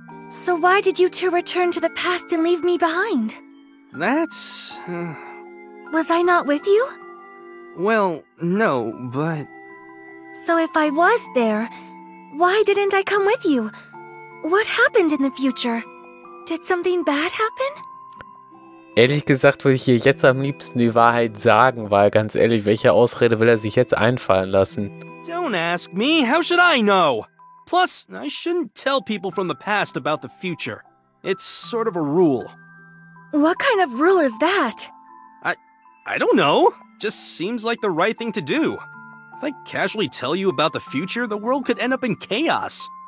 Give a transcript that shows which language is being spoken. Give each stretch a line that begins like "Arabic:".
English: So why did you two return to the past and leave me behind? That's... Was I not with you? Well, no, but... So if I was there, why didn't I come with you? What happened in the future? Did something bad happen?
German: Ehrlich gesagt würde ich hier jetzt am liebsten die Wahrheit sagen, weil ganz ehrlich, welche Ausrede will er sich jetzt einfallen lassen?
English: Don't ask me, how should I know? Plus, I shouldn't tell people from the past about the future. It's sort of a rule. What kind of rule is that? I don't know. Just seems like the right thing to do. If I casually tell you about the future, the world could end up in chaos.